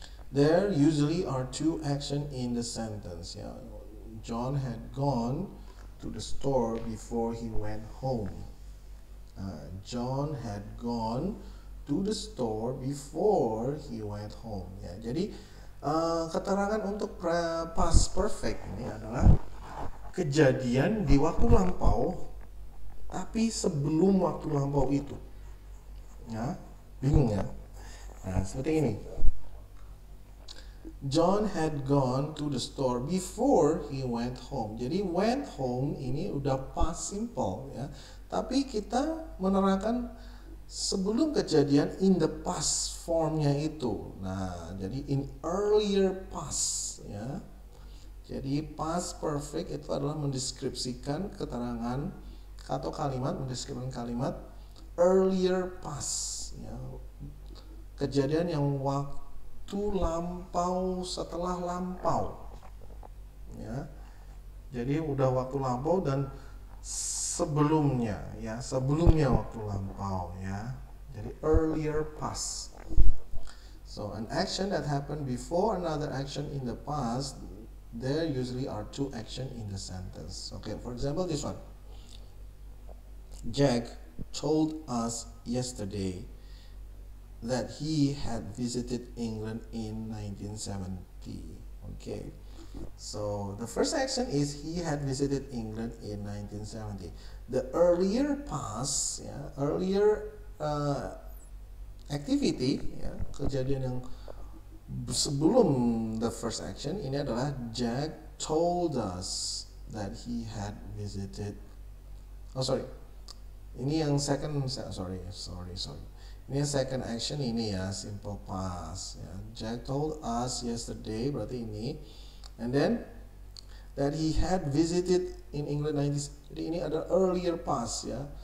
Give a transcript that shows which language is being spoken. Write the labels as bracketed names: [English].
[English] There usually are two action in the sentence. Yeah. John had gone to the store before he went home. John had gone to the store before he went home. Yeah. [Indonesian] Jadi keterangan untuk past perfect ini adalah kejadian di waktu lampau, tapi sebelum waktu lampau itu. Ya, bingung ya? Nah, seperti ini. [English] John had gone to the store before he went home. [Indonesian] Jadi [English] went home [Indonesian] ini udah past simple ya. Tapi kita menerangkan sebelum kejadian [English] in the past [Indonesian] formnya itu. Nah, jadi [English] in earlier past [Indonesian] ya. Jadi past perfect itu adalah mendeskripsikan keterangan atau kalimat, mendeskripsikan kalimat [English] earlier past [Indonesian] ya. Kejadian yang waktu lampau setelah lampau. Ya. Jadi udah waktu lampau dan sebelumnya ya, sebelumnya waktu lampau ya. [English] Jadi earlier past. So, an action that happened before another action in the past, there usually are two action in the sentence. Okay, for example this one. Jack told us yesterday that he had visited England in 1970. Okay. So, the first action is he had visited England in 1970. The earlier past, yeah, earlier activity, yeah, [Indonesian] kejadian yang sebelum [English] the first action ini adalah Jack told us that he had visited. Oh sorry. [Indonesian] Ini yang second, sorry. Ini yang second action ini ya, simple past ya. [English] Jack told us yesterday [Indonesian] berarti ini. [English] And then that he had visited in England 90s. [Indonesian] Jadi ini ada earlier past ya.